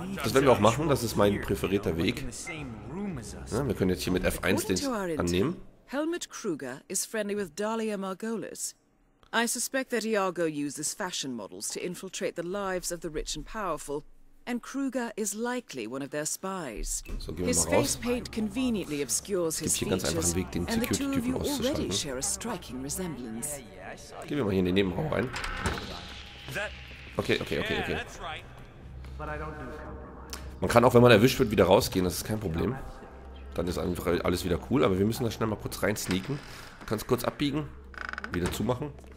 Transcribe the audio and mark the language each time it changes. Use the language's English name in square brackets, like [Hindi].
[German] Das werden wir auch machen, das ist mein präferierter Weg. Ja, wir können jetzt hier mit F1 den annehmen. [English] Helmut Kruger ist friendly with Dalia Margolis. I suspect that Iago uses fashion models to infiltrate the lives of the rich and powerful, and Kruger is likely one of their spies. [German] So, gehen wir mal raus. [English] His face paint conveniently obscures his features, [German] Weg, den [English] and the two of you already share a striking resemblance. [German] Gehen wir mal hier in den Nebenraum rein. Okay. Man kann auch, wenn man erwischt wird, wieder rausgehen, das ist kein Problem. Dann ist einfach alles wieder cool, aber wir müssen da schnell mal kurz reinsneaken. Du kannst kurz abbiegen, wieder zumachen.